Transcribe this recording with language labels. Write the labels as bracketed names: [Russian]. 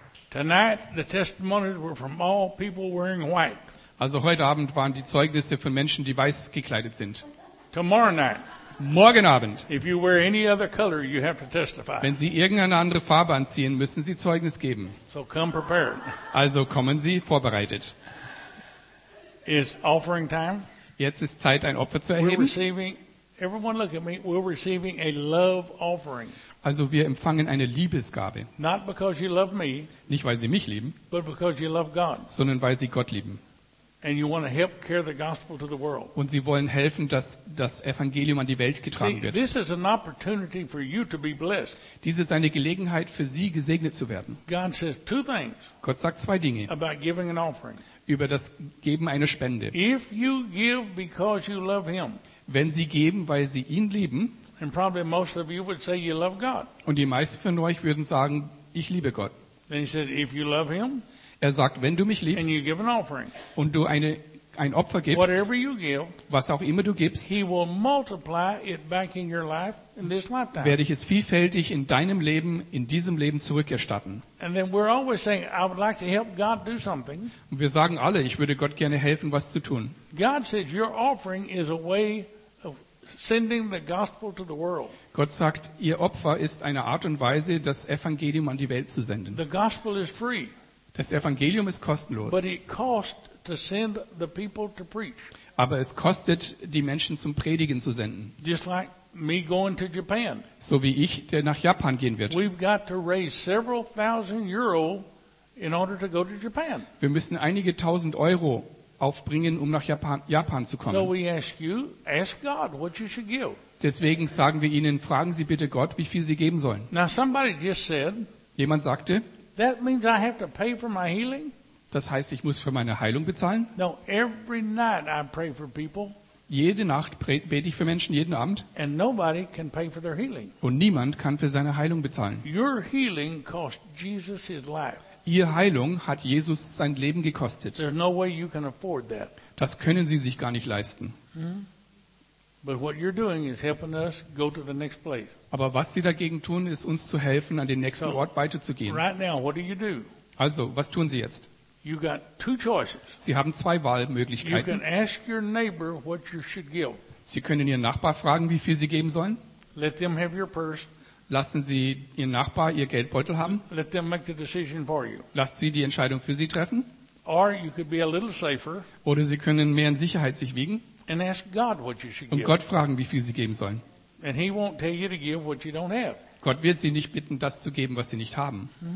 [English] Tonight the testimonies were from all people wearing white. [German] Also heute Abend waren die Zeugnisse von Menschen, die weiß gekleidet sind. [English] Tomorrow night. [German] Morgen Abend. [English] If you wear any other color, you have to testify. [German] Wenn Sie irgendeine andere Farbe anziehen, müssen Sie Zeugnis geben. [English] So come prepared. [German] Also kommen Sie vorbereitet. [English] Is offering time? [German] Jetzt ist Zeit, ein Opfer zu erheben. [English] We're receiving. Everyone, look at me. We're receiving a love offering. [German] Also wir empfangen eine Liebesgabe. [English] Not because you love me. [German] Nicht weil Sie mich lieben. [English] But because you love God. [German] Sondern weil Sie Gott lieben. [English] And you want to help carry the gospel to the world. [German] Und sie wollen helfen, dass das Evangelium an die Welt getragen wird. [English] This is an opportunity for you to be blessed. [German] Dies ist eine Gelegenheit für sie, gesegnet zu werden. [English] God says two things. [German] Gott sagt zwei Dinge. [English] About giving an offering. [German] Über das Geben einer Spende. [English] If you give because you love him. [German] Wenn sie geben, weil sie ihn lieben. [English] And probably most of you would say you love God. [German] Und die meisten von euch würden sagen, ich liebe Gott. [English] Then he said, if you love him. [German] Er sagt, wenn du mich liebst [English] and you give an offering, [German] und du ein Opfer gibst, [English] whatever you give, [German] was auch immer du gibst, [English] he will multiply it back in your life in this lifetime. [German] Werde ich es vielfältig in deinem Leben, in diesem Leben zurückerstatten. [English] And then we're always saying, I would like to help God do something. [German] Und wir sagen alle, ich würde Gott gerne helfen, was zu tun. [English] God says, your offering is a way of sending the gospel to the world. [German] Gott sagt, ihr Opfer ist eine Art und Weise, das Evangelium an die Welt zu senden. [English] The gospel is free. [German] Das Evangelium ist kostenlos. [English] But it cost to send the people to preach. [German] Aber es kostet, die Menschen zum Predigen zu senden. [English] Just like me going to Japan. [German] So wie ich, der nach Japan gehen wird. [English] We've got to raise several thousand euro in order to go to Japan. [German] Wir müssen einige tausend Euro aufbringen, um nach Japan zu kommen. [English] So we ask you, ask God what you should give. [German] Deswegen sagen wir Ihnen, fragen Sie bitte Gott, wie viel Sie geben sollen. [English] Now somebody just said, [German] jemand sagte, [English] that means I have to pay for my healing? [German] Das heißt, ich muss für meine Heilung bezahlen? [English] No, every night I pray for people. [German] Jede Nacht bete ich für Menschen, jeden Abend. [English] And nobody can pay for their healing. [German] Und niemand kann für seine Heilung bezahlen. [English] Your healing cost Jesus his life. [German] Ihr Heilung hat Jesus sein Leben gekostet. [English] There's no way you can afford that. [German] Das können Sie sich gar nicht leisten. [English] But what you're doing is helping us go to the next place. [German] Aber was Sie dagegen tun, ist uns zu helfen, an den nächsten Ort weiterzugehen. [English] Right now, what do? [German] Also, was tun Sie jetzt? [English] You got two choices. [German] Sie haben zwei Wahlmöglichkeiten. [English] You can ask your neighbor what you should give. [German] Sie können Ihren Nachbar fragen, wie viel Sie geben sollen. [English] Let them have your purse. [German] Lassen Sie Ihren Nachbar Ihr Geldbeutel haben. [English] Let them make the decision for you. [German] Lasst Sie die Entscheidung für Sie treffen. [English] Or you could be a little safer. [German] Oder Sie können mehr in Sicherheit sich wiegen. [English] And ask God what you should give. [German] Und Gott fragen, wie viel Sie geben sollen. [English] And he won't tell you to give what you don't have. [German] Gott wird Sie nicht bitten, das zu geben, was Sie nicht haben.